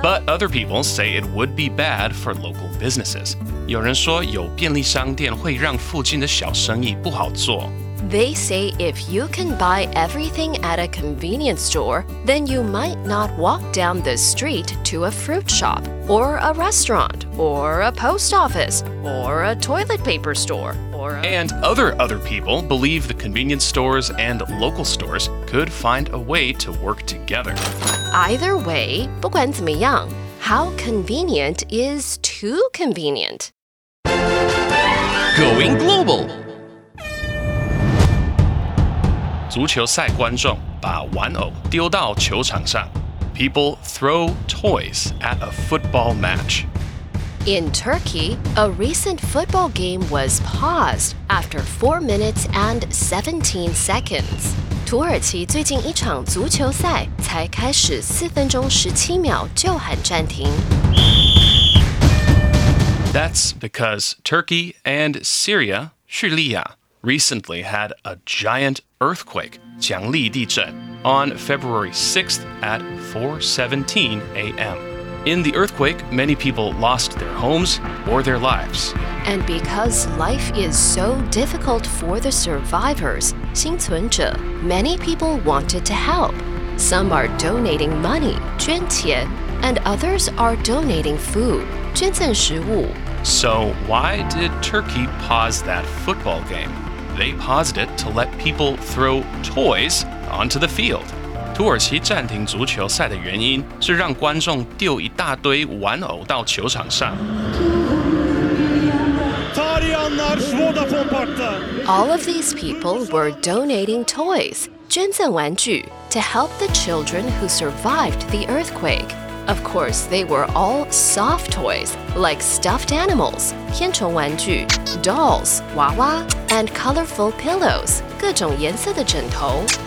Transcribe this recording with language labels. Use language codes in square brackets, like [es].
[en] But other people say it would be bad for local businesses. [zh] 有人说有便利商店会让附近的小生意不好做。 [en] They say if you can buy everything at a convenience store, then you might not walk down the street to a fruit shop, or a restaurant, or a post office, or a toilet paper store, or a... And other people believe the convenience stores and local stores could find a way to work together. Either way, [zh] 不管怎么样, [en] how convenient is too convenient? Going global! [zh] 足球赛观众把玩偶丢到球场上。 [en] People throw toys at a football match. In Turkey, a recent football game was paused after 4 minutes and 17 seconds. [zh] 土耳其最近一场足球赛才开始4分钟17秒就喊暂停。 [en] That's because Turkey and Syria, [zh] 叙利亚, [en] recently had a giant earthquake, [zh] 强力地震, [en] on February 6th at 4:17 a.m. In the earthquake, many people lost their homes or their lives. And because life is so difficult for the survivors, [zh] 幸存者, [en] many people wanted to help. Some are donating money, [zh] 捐钱, [en] and others are donating food, [zh] 捐赠食物. [en] So why did Turkey pause that football game? They paused it to let people throw toys onto the field. [zh] 土耳其暂停足球赛的原因是让观众丢一大堆玩偶到球场上。 [en] All of these people were donating toys, [zh] 捐赠玩具, [en] to help the children who survived the earthquake. Of course, they were all soft toys, like stuffed animals, [zh] 天虫玩具, [en] dolls, [zh] 娃娃, [en] and colorful pillows, [zh] 各种颜色的枕头.